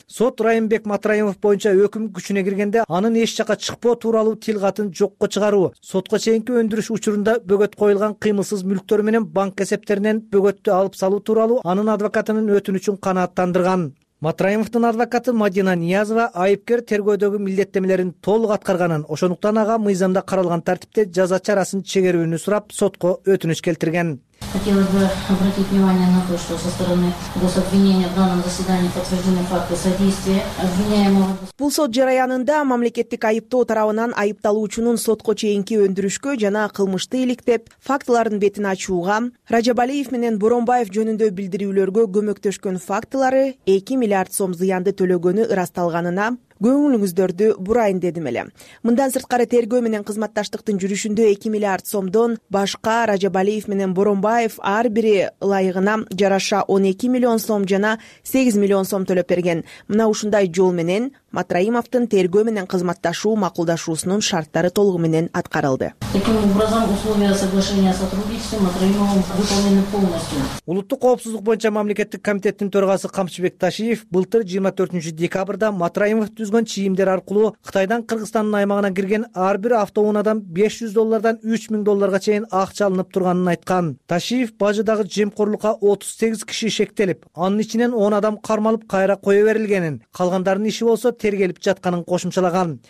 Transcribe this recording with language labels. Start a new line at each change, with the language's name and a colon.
Kyrgyz: Сот Райымбек Матраимов боюнча өкүм күчүнө киргенде анын эч жака чыкпоо тууралуу тилгатын жокко чыгаруу, сотко чейинки өндүрүш учурунда бөгөт коюлган кыймылсыз мүлктөр менен банк эсептеринен бөгөттү алып салуу тууралуу анын адвокатынын өтүнүчүн канааттандырган. Матраимовдун адвокаты Мадина Ниязова айыпкер тергөөдөгү милдеттенмелерин толук аткарганын, ошондуктан ага мыйзамда каралган тартипте жаза чарасын чегерүүнү сурап сотко өтүнүч келтирген.
Russian: Хотела бы обратить внимание на то, что со стороны гособвинения в данном заседании подтверждены факты содействия обвиняемого.
Kyrgyz: Бул сот жараянында мамлекеттик айыптоо тарабынан айыпталуучунун сотко чейинки өндүрүшкө жана кылмышты иликтеп, фактылардын бетин ачууга, Ражабалиев менен Боромбаев жөнүндө билдирүүлөргө көмөктөшкөн фактылары 2 млрд сом зыянды төлөгөнү ырасталганына көңүлүңүздөрдү бурайын дедим эле. Мындан сырткары тергөө менен кызматташтыктын жүрүшүндө 2 млрд сомдон башка Ражабалиев менен Боромбаев ар бири ылайыгына жараша 12 млн сом жана 8 млн сом төлөп берген. Мына ушундай жол менен Матраимовдун тергөө менен кызматташуу макулдашуусунун шарттары толугу менен аткарылды.
Russian: Таким образом, условия соглашения о сотрудничестве Матраимовым выполнены полностью.
Kyrgyz: Улуттук коопсуздук боюнча мамлекеттик комитеттин төрагасы Камчыбек Ташиев былтыр 24 декабрда Матраимов жүргүзгөн чийимдер аркылуу Кытайдан Кыргызстандын аймагына кирген ар бир автоунадан $500 $3000 чейин акча алынып турганын айткан. Ташиев бажыдагы жемкорлукка 38 киши шектелип, анын ичинен 10 адам кармалып кайра кое берилгенин, калгандардын иши болсо тергелип жатканын кошумчалаган.